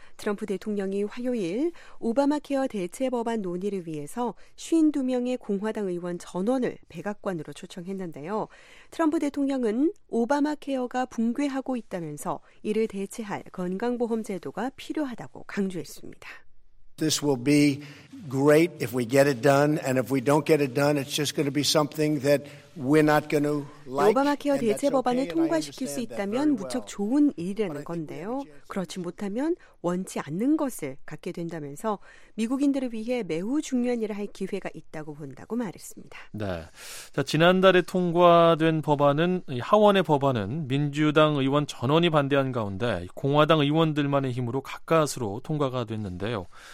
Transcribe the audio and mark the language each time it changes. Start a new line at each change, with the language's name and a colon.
Korean: 트럼프 대통령이 화요일 오바마 케어 대체 법안 논의를 위해서 52명의 공화당 의원 전원을 백악관으로 초청했는데요. 트럼프 대통령은 오바마 케어가 붕괴하고 있다면서 이를 대체할 건강보험 제도가 필요하다고 강조했습니다.
English: This will be great if we get it done and if we don't get it done it's just going to be something that we're not going to like.
Korean: 오바마 케어 대체 법안을 통과시킬 수 있다면 무척 좋은 일이라는 건데요. 그렇지 못하면 원치 않는 것을 갖게 된다면서 미국인들을 위해 매우 중요한 일을 할 기회가 있다고 본다고 말했습니다. 네. 자, 지난달에 통과된 법안은 하원의 법안은 민주당 의원 전원이 반대한 가운데 공화당 의원들만의 힘으로 가까스로 통과가 됐는데요.